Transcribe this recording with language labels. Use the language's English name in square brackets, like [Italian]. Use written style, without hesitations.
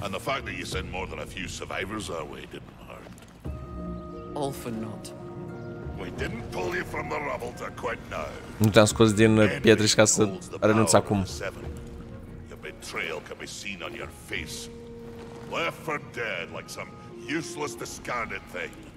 [English] And the fact that you sent more than a few survivors our way didn't hurt. All for naught. We didn't pull you from the rubble to quit now. [Romanian] Nu te-am scos din pietriș ca să renunț acum. [English] Your betrayal can be seen on your face. left for dead like some useless discarded thing.